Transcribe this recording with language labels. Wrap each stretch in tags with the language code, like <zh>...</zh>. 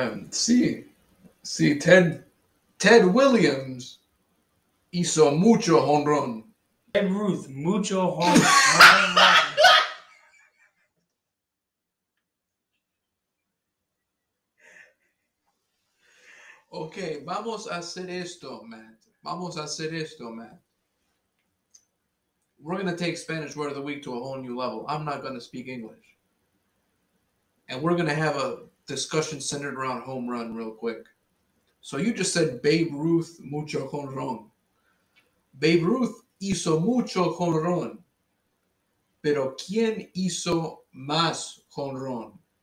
<es>See, Ted Williams hizo mucho home run. Ted Ruth, mucho home run. Okay, vamos a hacer esto, man. Vamos a hacer esto, man.</es> <en>We're going to take Spanish Word of the Week to a whole new level. I'm not going to speak English. And we're going to have a discussion centered around home run real quick. So you just said Babe Ruth</en> <es>mucho jonrón. Babe Ruth hizo mucho jonrón. Pero ¿quién hizo más jonrón?</es>